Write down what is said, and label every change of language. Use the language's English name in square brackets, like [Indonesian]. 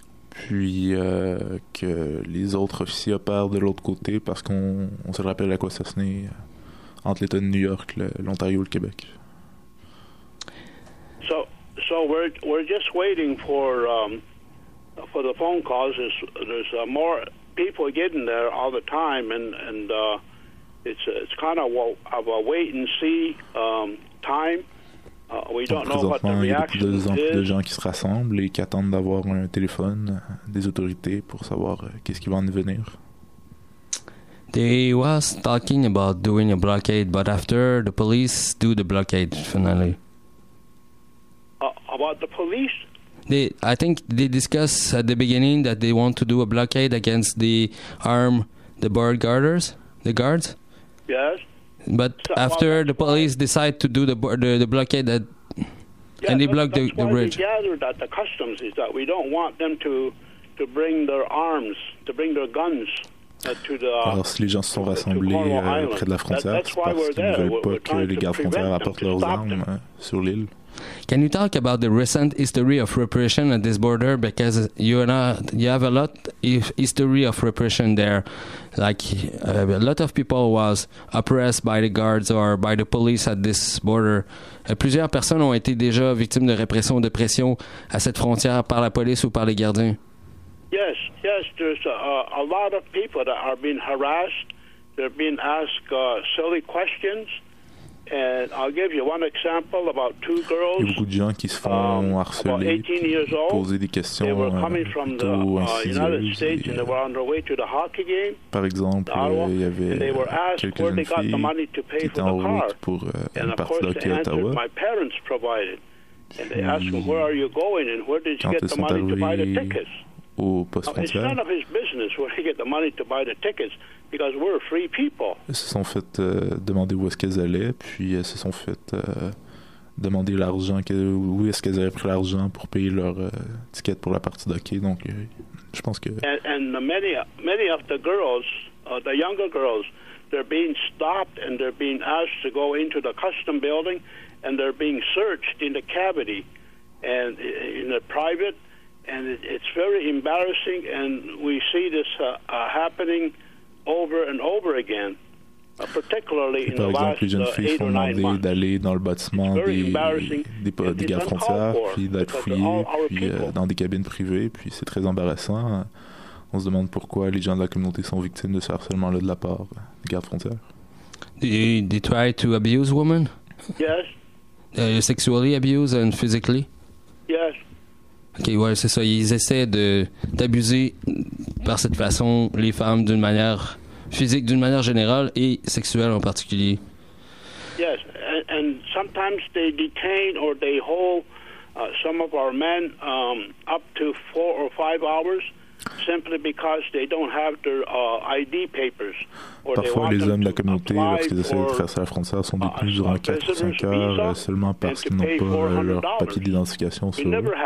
[French] Puis que les autres officiers opèrent de l'autre côté parce qu'on se rappelle Akwesasne entre l'État de New York, l'Ontario et le Québec. [English] So we're just waiting for the phone calls. There's more people getting there all the time, and it's kind of a wait and see time. We don't know what the reaction is. [French] Il y a plus de gens qui se rassemblent et qui attendent d'avoir un téléphone des autorités pour savoir qu'est-ce qui va en venir. [English] They was talking about doing a blockade, but after the police do the blockade finally. About the police? I think they discussed at the beginning that they want to do a blockade against the border guarders, the guards. Yes. But so, after the police decide to do the blockade, that yeah, and they block the bridge. That's why they gathered at the customs, is that we don't want them to bring their arms, to bring their guns. [French] Alors, si les gens se sont rassemblés près de la frontière, c'est parce qu'ils ne veulent pas que les gardes frontières apportent leurs armes sur l'île. [English] Can you talk about the recent history of repression at this border? Because you have a lot of history of repression there. Like, a lot of people was oppressed by the guards or by the police at this border. [French] Plusieurs personnes ont été déjà victimes de répression ou de pression à cette frontière par la police ou par les gardiens. [English] Yes, there's a lot of people that are being harassed. They're being asked silly questions. And I'll give you one example about two girls. [French] Il y a beaucoup de gens qui se font harceler, poser des questions. [English] They were coming from the United States and they were on their way to the hockey game. [French] Par exemple, il y avait quelques jeunes filles qui étaient en route pour une partie d'hockey à Ottawa. [English] My parents provided. And they asked them, where are you going and where did you get the money to buy the tickets? [French] Au poste frontière. [English] It's none of his business where he get the money to buy the tickets because we're free people. [French] Ils se sont fait demander où est-ce qu'elles allaient, puis ils se sont fait demander l'argent, où est-ce qu'elles avaient pris l'argent pour payer leur ticket pour la partie d'hockey. Donc, je pense que. [English] And many of the girls, the younger girls, they're being stopped and they're being asked to go into the custom building and they're being searched in the cavity and in the private. And it's very embarrassing, and we see this happening over and over again, particularly in the last 8 or 9 months. [French] Par exemple, les jeunes filles font demander d'aller dans le bâtiment des gardes frontières, puis d'être fouillées, puis dans des cabines privées, puis c'est très embarrassant. On se demande pourquoi les gens de la communauté sont victimes de ce harcèlement-là de la part des gardes frontières. [English] They try to abuse women? Yes. Sexually abused and physically? Yes. [French] Ok, ouais, c'est ça. Ils essaient de, d'abuser par cette façon les femmes d'une manière physique, d'une manière générale et sexuelle en particulier. [English] Yes, and sometimes they detain or they hold some of our men up to 4 or 5 hours simply because they don't have their ID papers. [French] Parfois, les hommes de la communauté, lorsqu'ils essayent de traverser la frontière, sont détenus durant 4 ou 5 heures seulement parce qu'ils n'ont pas leur papier d'identification sur eux.